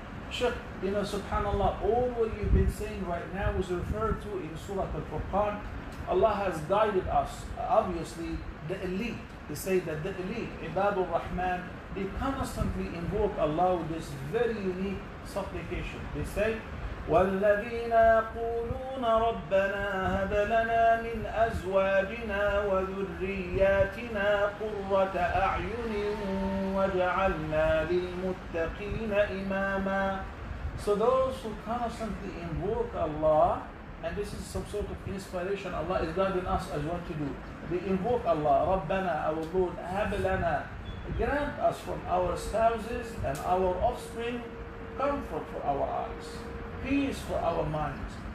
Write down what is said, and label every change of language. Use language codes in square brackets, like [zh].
[en] Sheikh, you know, subhanAllah, all what you've been saying right now is referred to in Surah Al-Furqan. Allah has guided us, obviously, the elite. They say that the elite, Ibadur Rahman, they constantly invoke Allah with this very unique supplication. They say, [ar] والذين يقولون ربنا هب لنا من أزواجنا وذرياتنا قرة أعين واجعلنا للمتقين إماما. [en] So those who constantly invoke Allah, and this is some sort of inspiration Allah is guiding us as well to do. They invoke Allah, Rabbana, our Lord, [ar] hab lana, [en] grant us from our spouses and our offspring comfort for our eyes, peace for our minds.